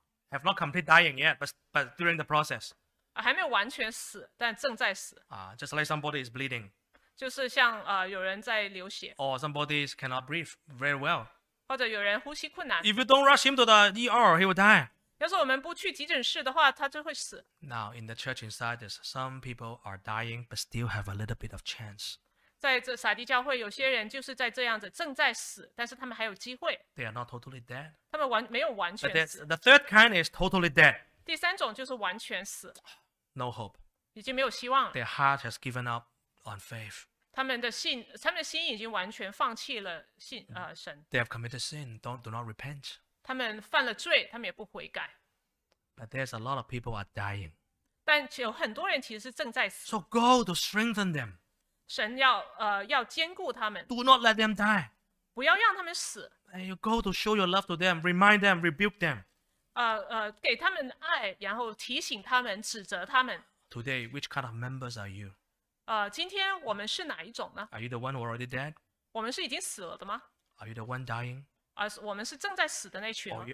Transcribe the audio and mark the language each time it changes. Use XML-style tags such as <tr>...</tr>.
<en>Have not complete dying yet, but during the process.</en> <zh>还没有完全死，但正在死。</zh> <en>Just like somebody is bleeding.</en> <zh>就是像有人在流血</zh> <en>，or somebody cannot breathe very well，</en> <zh>或者有人呼吸困难。</zh> <en>If you don't rush him to the ER, he will die。</en> <zh>要是我们不去急诊室的话，他就会死。</zh> <en>Now in the church inside this, some people are dying but still have a little bit of chance。</en> <zh>在这撒迪教会，有些人就是在这样子正在死，但是他们还有机会。</zh> <en>They are not totally dead。</en> <zh>他们没有完全死。</zh> <en>But the third kind is totally dead。</en> <zh>第三种就是完全死。</zh> <en>No hope。</en> <zh>已经没有希望。</zh> <en>Their heart has given up。 On faith,</en> <zh>他们的心已经完全放弃了信神。</zh> <en>They have committed sin. Do not repent.</en> <zh>他们犯了罪，他们也不悔改。</zh> <en>But there's a lot of people are dying.</en> <zh>但有很多人其实是正在死。</zh> <en>So go to strengthen them.</en> <zh>神要坚固他们。</zh> <en>Do not let them die.</en> <zh>不要让他们死。</zh> <en>And you go to show your love to them, remind them, rebuke them.</en> <zh>给他们爱，然后提醒他们，指责他们。</zh> <en>Today, which kind of members are you?</en> <zh>今天我们是哪一种呢</zh> <en>？Are you the one who already dead？</en> <zh>我们是已经死了的吗</zh> <en>？Are you the one dying？</en> <zh>我们是正在死的那群吗</zh>